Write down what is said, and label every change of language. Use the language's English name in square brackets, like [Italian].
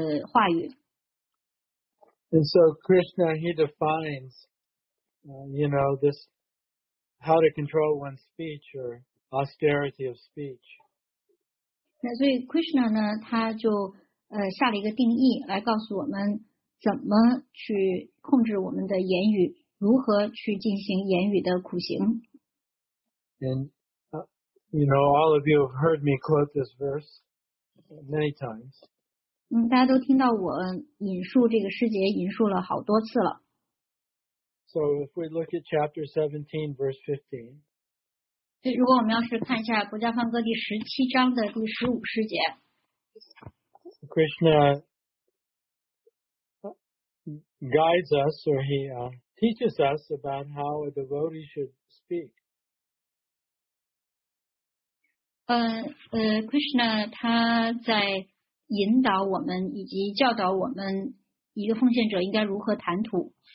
[Chinese] 那么也就是说呢，当一个瑜伽师，当他处在善良形态的时候，那就意味着他必须要控制着他的心意，要控制着他的想法，然后他要控制着他的话语。 [English] And so Krishna, he defines, you know, this how to control one's speech or austerity of speech. [Chinese] 那所以 Krishna 呢，他就 下了一个定义来告诉我们怎么去控制我们的言语，如何去进行言语的苦行。 [English] And you know, all of you have heard me quote this verse many times. [Chinese] 大家都听到我引述这个诗节，引述了好多次了。 [English] So if we look at chapter 17, verse 15. [Chinese] 如果我们要是看一下国家梵歌第十七章的第十五诗节。 [English] Krishna guides us, or he teaches us about how a devotee should speak. [Chinese] Krishna, 他在引导我们以及教导我们一个奉献者应该如何谈吐。